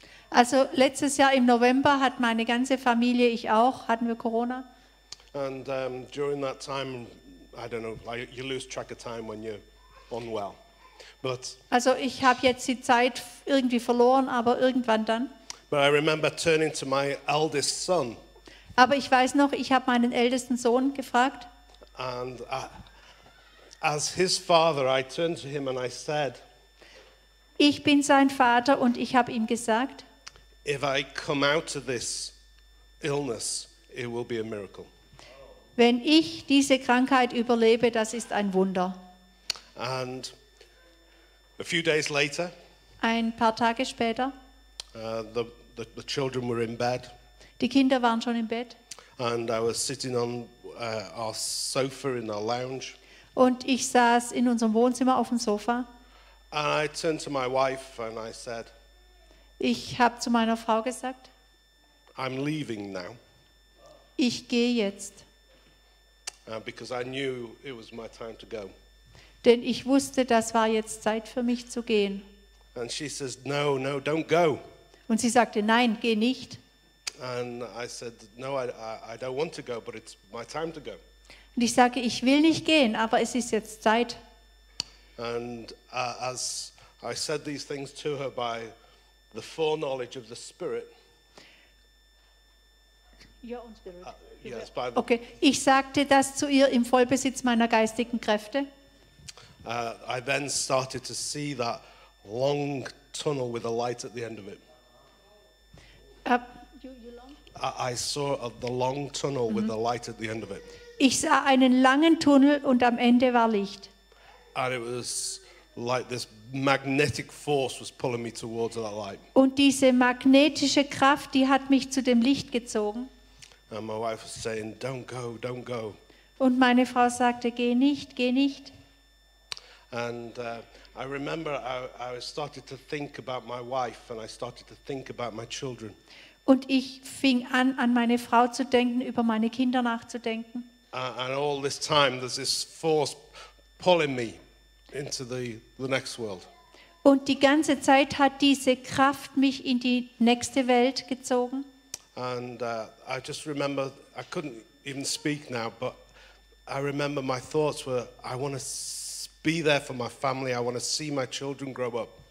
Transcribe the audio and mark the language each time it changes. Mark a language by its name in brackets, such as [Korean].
[German] Also letztes Jahr im November hat meine ganze Familie, ich auch, hatten wir Corona. [English] And during that time, I don't know, like you lose track of time when you're unwell. But [German] also ich habe jetzt die Zeit irgendwie verloren, aber irgendwann dann. [English] But I remember turning to my eldest son. [German] Aber ich weiß noch, ich habe meinen ältesten Sohn gefragt. [English] And as his father, I turned to him and I said, [German] ich bin sein Vater und ich habe ihm gesagt, [English] if I come out of this illness, it will be a miracle. [German] Wenn ich diese Krankheit überlebe, das ist ein Wunder. [English] And a few days later, [German] ein paar Tage später, [English] the children were in bed. [German] Die Kinder waren schon im Bett. [English] And I was sitting on our sofa in our lounge. [German] Und ich saß in unserem Wohnzimmer auf dem Sofa. [English] And I turned to my wife and I said, [German] ich habe zu meiner Frau gesagt, [English] I'm leaving now. [German] Ich gehe jetzt. [English] Because I knew it was my time to go. [German] Denn ich wusste, das war jetzt Zeit für mich zu gehen. [English] And she says, no, don't go. [German] Und sie sagte, nein, geh nicht. [English] And I said, no, I don't want to go, but it's my time to go. [German] Und ich sage, ich will nicht gehen, aber es ist jetzt Zeit. [English] And as I said these things to her by the foreknowledge of the Spirit. Your own Spirit. Yes, by the [German] okay, ich sagte das zu ihr im Vollbesitz meiner geistigen Kräfte. [English] I then started to see that long tunnel with a light at the end of it. I saw the long tunnel mm-hmm. with a light at the end of it. [German] Ich sah einen langen Tunnel und am Ende war Licht. [English] And it was like this magnetic force was pulling me towards that light. [German] Und diese magnetische Kraft, die hat mich zu dem Licht gezogen. [English] And my wife was saying, "Don't go, don't go." [German] Und meine Frau sagte, geh nicht, geh nicht. [English] And I remember I started to think about my wife and I started to think about my children. [German] Und ich fing an meine Frau zu denken, über meine Kinder nachzudenken. [English] And all this time there's this force pulling me into the next world. [German] Und die ganze Zeit hat diese Kraft mich in die nächste Welt gezogen. [English] And I just remember, I couldn't even speak now, but I remember my thoughts were, I want to be there for my family, I want to see my children grow up.